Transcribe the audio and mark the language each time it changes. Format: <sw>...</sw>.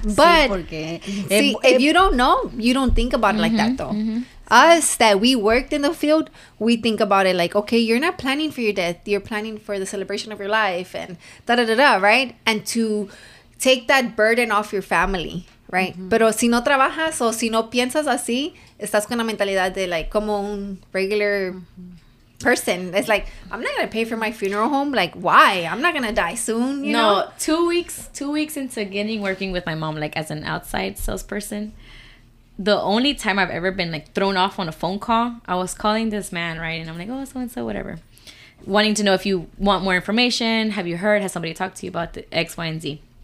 <en>But if you don't know, you don't think about it like that, though. Mm-hmm. Us, that we worked in the field, we think about it like, okay, you're not planning for your death. You're planning for the celebration of your life and da-da-da-da, right? And to take that burden off your family, right? Mm-hmm.</en> <es>Pero si no trabajas o si no piensas así, estás con la mentalidad de, like, como un regular...</es> <en>Mm-hmm. person. It's like, I'm not gonna pay for my funeral home, like, why? I'm not gonna die soon, you know? Two weeks into getting working with my mom, like, as an outside salesperson, the only time I've ever been, like, thrown off on a phone call, I was calling this man, right, and I'm like, oh, so and so, whatever, wanting to know if you want more information, have you heard, has somebody talked to you about the X, Y, and Z?</en>